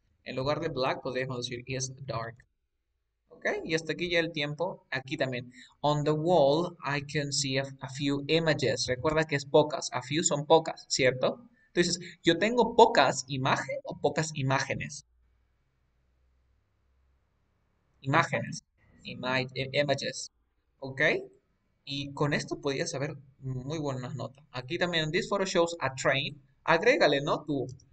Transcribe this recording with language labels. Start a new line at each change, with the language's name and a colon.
Spanish: En lugar de black, podemos decir is dark. Okay, y hasta aquí ya el tiempo. Aquí también.
English: On the wall, I can see a few images.
Spanish: Recuerda que es pocas. A few son pocas, ¿cierto? Entonces, ¿yo tengo pocas imagen o pocas imágenes? Imágenes. Images. ¿Ok? Y con esto podías saber muy buenas notas. Aquí también, this photo shows a train. Agrégale, ¿no? Tú.